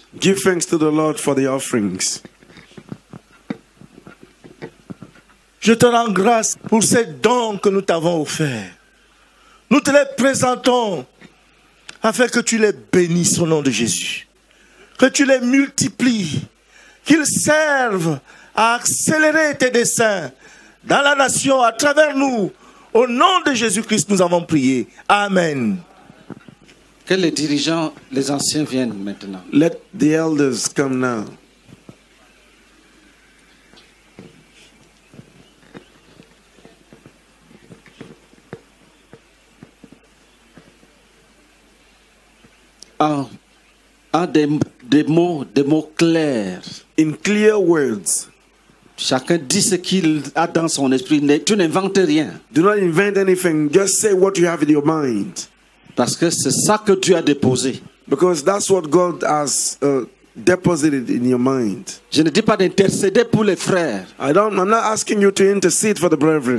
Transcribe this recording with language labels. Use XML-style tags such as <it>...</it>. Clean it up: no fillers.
<en>Give thanks to the Lord for the offerings.</en> <fr>Je te rends grâce pour ces dons que nous t'avons offerts. Nous te les présentons afin que tu les bénisses au nom de Jésus, que tu les multiplies, qu'ils servent à accélérer tes desseins dans la nation, à travers nous. Au nom de Jésus-Christ, nous avons prié. Amen. Que les dirigeants, les anciens viennent maintenant.</fr> <en>Let the elders come now.</en> <fr>Des mots clairs.</fr> <en>In clear words,</en> <fr>chacun dit ce qu'il a dans son esprit. Tu n'inventes rien.</fr> <en>Do not invent anything. Just say what you have in your mind.</en> <fr>Parce que c'est ça que tu as déposé.</fr> <en>Because that's what God has deposited in your mind.</en> <fr>Je ne dis pas d'intercéder pour les frères.</fr> <en>I'm not asking you to intercede for the brethren.</en>